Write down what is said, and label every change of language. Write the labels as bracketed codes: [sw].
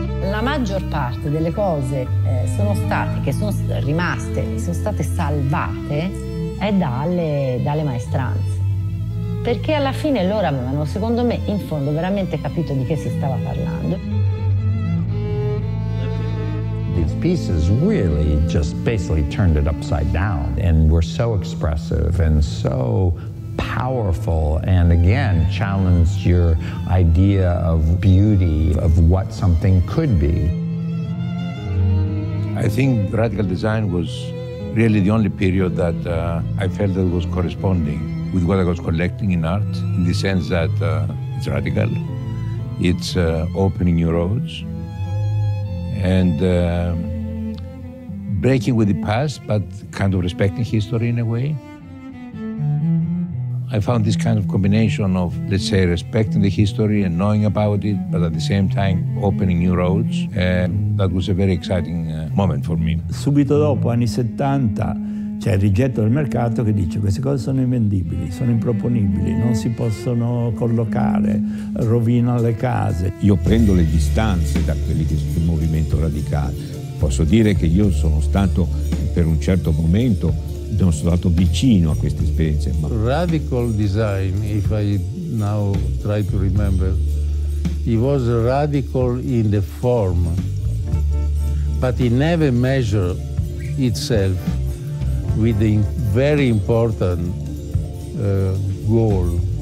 [it] La maggior parte delle cose sono state salvate è dalle maestranze, perché alla fine loro avevano, secondo me, in fondo veramente capito di che si stava parlando. [en] These pieces really just basically turned it upside down and were so expressive and so powerful and again challenged your idea of beauty, of what something could be. I think radical design was really the only period that I felt that was corresponding with what I was collecting in art, in the sense that it's radical, it's opening new roads and breaking with the past, but kind of respecting history in a way. I found this kind of combination of, let's say, respecting the history and knowing about it, but at the same time opening new roads. And that was a very exciting moment for me. [it] Subito dopo, anni 70, c'è il rigetto del mercato che dice queste cose sono invendibili, sono improponibili, non si possono collocare, rovina le case. Io prendo le distanze da quelli che sono il movimento radicale. Posso dire che io sono stato, per un certo momento, sono stato vicino a queste esperienze. Ma... [en] Radical design, if I now try to remember, it was radical in the form, but it never measured itself with the very important goal.